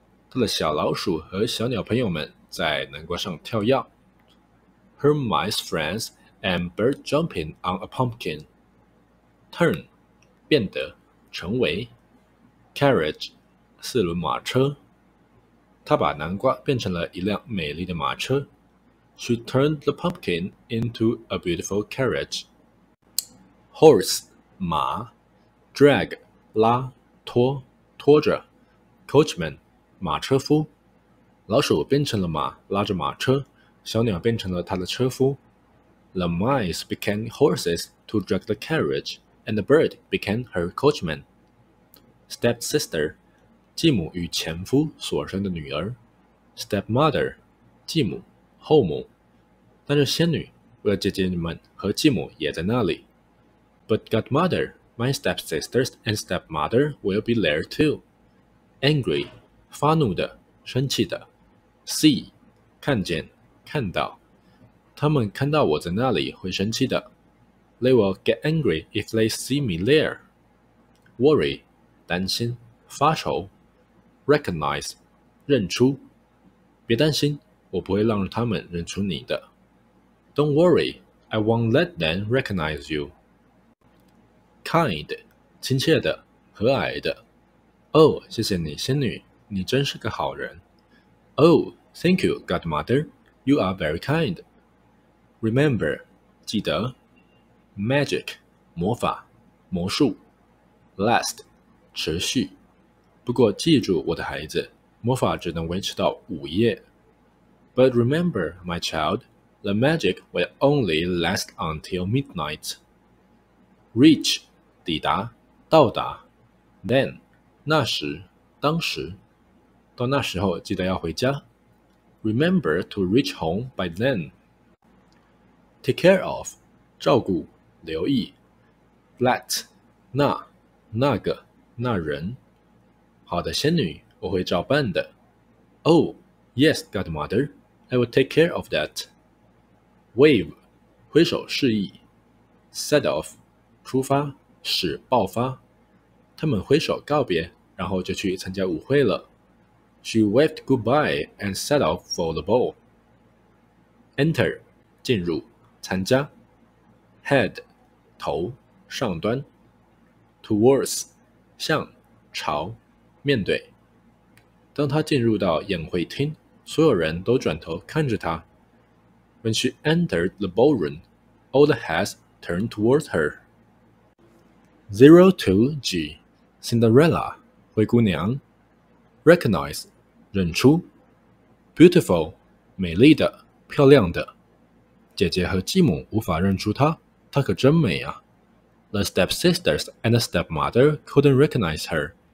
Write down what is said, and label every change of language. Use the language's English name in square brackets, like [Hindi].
[Chinese] 他的小老鼠和小鸟朋友们在南瓜上跳跃。 [English] Her mice friends and bird jumping on a pumpkin. [Chinese] Turn, 变得，成为。Carriage, 四轮马车。他把南瓜变成了一辆美丽的马车。 [English] She turned the pumpkin into a beautiful carriage. [Chinese] Horse,马 ，drag， 拉，拖，拖着 ，coachman， 马车夫，老鼠变成了马，拉着马车，小鸟变成了它的车夫。 [English] The mice became horses to drag the carriage, and the bird became her coachman. [Chinese] Stepsister， 继母与前夫所生的女儿。 Stepmother， 继母，后母。但是仙女为了姐姐们和继母也在那里。 [English] But godmother, my stepsisters and stepmother will be there too. [Chinese] Angry, 发怒的，生气的。See, 看见，看到。他们看到我在那里会生气的。 [English] They will get angry if they see me there. [Chinese] Worry, 担心，发愁。Recognize, 认出。别担心，我不会让他们认出你的。 [English] Don't worry, I won't let them recognize you. [Chinese] Kind, 亲切的，和蔼的。 Oh, 谢谢你，仙女，你真是个好人。 [English] Oh, thank you, godmother, you are very kind. [Chinese] Remember, 记得。Magic, 魔法，魔术。 Last, 持续。不过记住，我的孩子，魔法只能维持到午夜。 [English] But remember, my child, the magic will only last until midnight. [Chinese] Reach,抵达，到达。Then, 那时，当时。到那时候记得要回家。 [English] Remember to reach home by then. [Chinese] Take care of, 照顾，留意。That, 那，那个，那人。好的，仙女，我会照办的。 [English] Oh, yes, godmother, I will take care of that. [Chinese] Wave, 挥手示意。Set off, 出发。使爆发。他们挥手告别，然后就去参加舞会了。 [English] She waved goodbye and set off for the ball. [Chinese] Enter, 进入，参加。Head, 头，上端。 Towards, 向，朝，面对。当他进入到宴会厅，所有人都转头看着他。 [English] When she entered the ballroom, all the heads turned towards her. 02G, Cinderella, 灰姑娘。 [Chinese] Recognize, 认出。Beautiful, 美丽的，漂亮的。姐姐和继母无法认出她，她可真美啊。 [English] The stepsisters and the stepmother couldn't recognize her.